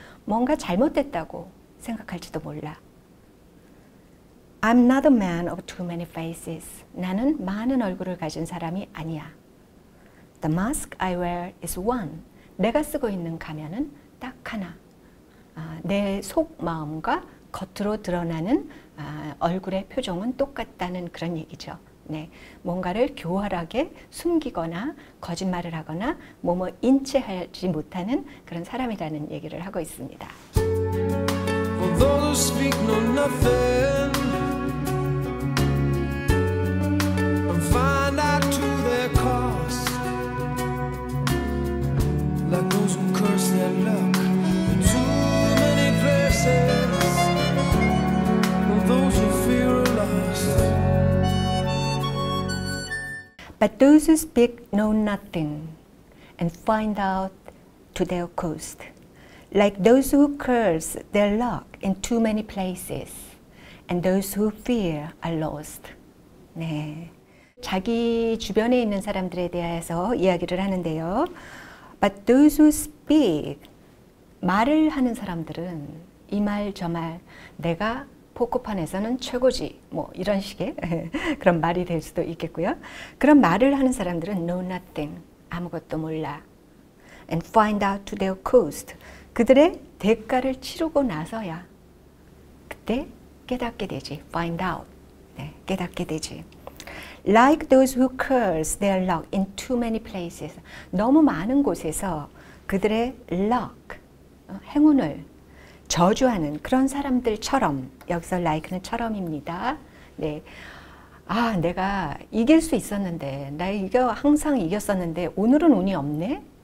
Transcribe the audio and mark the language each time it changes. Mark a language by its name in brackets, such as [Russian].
[Korean] 뭔가 잘못됐다고 생각할지도 몰라. [English] I'm not a man of too many faces. [Korean] 나는 많은 얼굴을 가진 사람이 아니야. [English] The mask I wear is one. [Korean] 내가 쓰고 있는 가면은 딱 하나. 내 속마음과 겉으로 드러나는 얼굴의 표정은 똑같다는 그런 얘기죠. 네, 뭔가를 교활하게 숨기거나 거짓말을 하거나 뭐뭐 인지하지 못하는 그런 사람이라는 얘기를 하고 있습니다. [English] For those who speak no nothing and find out to their cost. Like those who curse their luck in too many places. Or those who fear a loss. But those who speak know nothing and find out to their cost. Like those who curse their luck in too many places And those who fear are lost. 네. [Korean] 자기 주변에 있는 사람들에 대해서 이야기를 하는데요. [English] But those who speak, [Korean] 말을 하는 사람들은 이 말, 저 말, 내가 포크판에서는 최고지. 뭐, 이런 식의 그런 말이 될 수도 있겠고요. 그런 말을 하는 사람들은 [English] know nothing. [Korean] 아무것도 몰라. [English] And find out to their cost. [Korean] 그들의 대가를 치르고 나서야 그때 깨닫게 되지. [English] Find out. [Korean] 네, 깨닫게 되지. [English] Like those who curse their luck in too many places. [Korean] 너무 많은 곳에서 그들의 luck, 행운을 저주하는 그런 사람들처럼, 여기서 like는 처럼입니다. 네. 아, 내가 이길 수 있었는데, 나 이겨, 항상 이겼었는데, 오늘은 운이 없네?